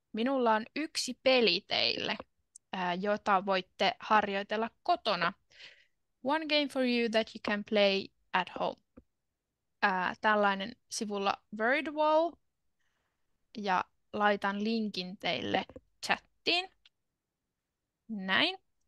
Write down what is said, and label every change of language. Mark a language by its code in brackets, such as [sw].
[fi] Minulla on yksi peli teille, jota voitte harjoitella kotona. [en] One game for you that you can play at home. [fi] Tällainen sivulla Wordwall. Ja laitan linkin teille chattiin. Näin.